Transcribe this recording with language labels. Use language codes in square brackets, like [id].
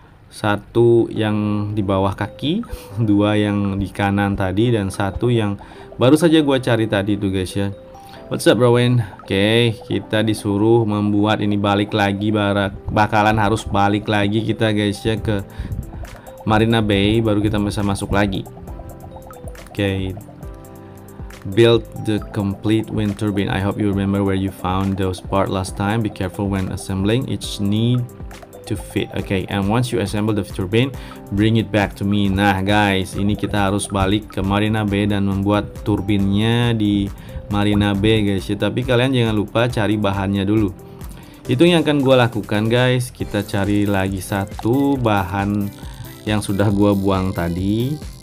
[id] Satu yang di bawah kaki, dua yang di kanan tadi, dan satu yang baru saja gua cari tadi itu guys ya. [en] What's up bro Wayne? [id] Okay, kita disuruh membuat ini balik lagi, bakalan harus balik lagi kita guys ya ke Marina Bay baru kita bisa masuk lagi. [en] Okay. Build the complete wind turbine. I hope you remember where you found those part last time. Be careful when assembling, each need to fit. Okay, and once you assemble the turbine, bring it back to me. [id] Nah guys, ini kita harus balik ke Marina Bay dan membuat turbinnya di Marina Bay guys ya. Tapi kalian jangan lupa cari bahannya dulu. Itu yang akan gua lakukan guys. Kita cari lagi satu bahan yang sudah gua buang tadi.